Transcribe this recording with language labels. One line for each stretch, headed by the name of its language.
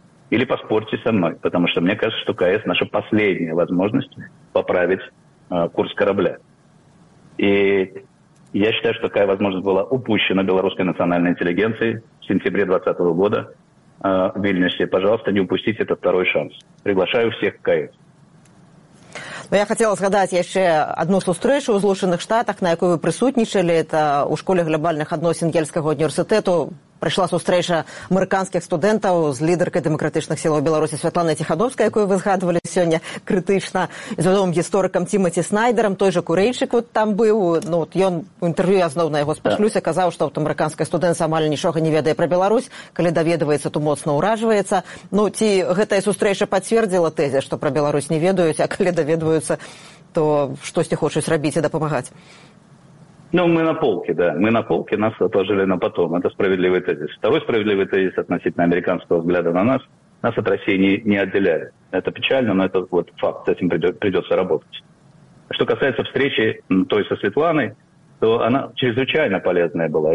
Russian: Или поспорьте со мной, потому что мне кажется, что КС – наша последняя возможность поправить курс корабля. И я считаю, что такая возможность была упущена белорусской национальной интеллигенцией в сентябре 2020 года в Вильнюсе. Пожалуйста, не упустите этот второй шанс. Приглашаю всех к КС. Но я хотела
Belarusian: згадаць яшчэ адну сустрэчу ў Злучаных Штатах, на якой вы прысутнічалі, это ў школе глабальных адносін Ельскага універсітэту. Прайшла сустрэча амерыканскіх студэнтаў з лідаркай дэмакратычных сілаў Беларусі Святланай Ціхановскай, якую вы згадвалі сёння крытычна, з вядомым гісторыкам Тімаці Снайдэрам, той жа Курэйчык вот там быў. Ну, вот ён у інтэрв'ю, я зноў на яго спашлюся, казаў, што вот амерыканская студэнт амаль нічога не ведае пра Беларусь, калі даведваецца, то моцна ўражваецца. Ну, ці гэтая сустрэча пацвердзіла тэзі, што пра Беларусь не ведаюць, а калі даведваюцца, то штосьці хочуць рабіць і дапамагаць?
Russian: Ну, мы на полке, да. Мы на полке, нас отложили на потом. Это справедливый тезис. Второй справедливый тезис относительно американского взгляда на нас. Нас от России не отделяют. Это печально, но это вот факт. С этим придется работать. Что касается встречи той со Светланой, то она чрезвычайно полезная была.